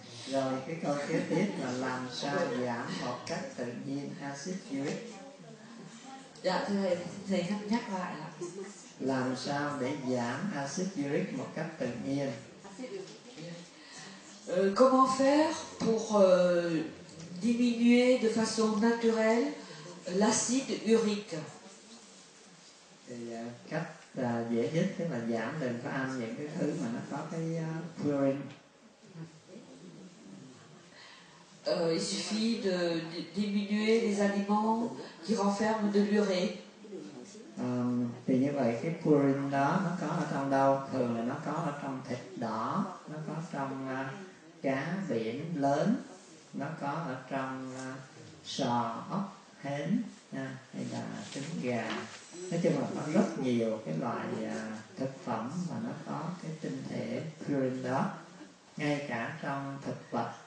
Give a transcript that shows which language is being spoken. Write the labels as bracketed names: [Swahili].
[Vietnamese] Rồi cái câu kế tiếp là làm sao giảm một cách tự nhiên axit uric. Dạ thưa thầy, thầy nhắc lại là làm sao để giảm axit uric một cách tự nhiên. [French] Comment faire pour diminuer de façon naturelle l'acide urique? [Vietnamese] Cách dễ nhất tức là giảm đừng có ăn những cái thứ mà nó có cái purine. [French] Il suffit de diminuer les aliments qui renferment de l'urée. [Vietnamese] Thì như vậy cái purine đó nó có ở trong đâu? Thường là nó có ở trong thịt đỏ, nó có trong cá biển lớn, nó có ở trong sò, ốc, hến hay là trứng gà. Nói chung là có rất nhiều cái loại thực phẩm mà nó có cái tinh thể purine đó, ngay cả trong thực vật.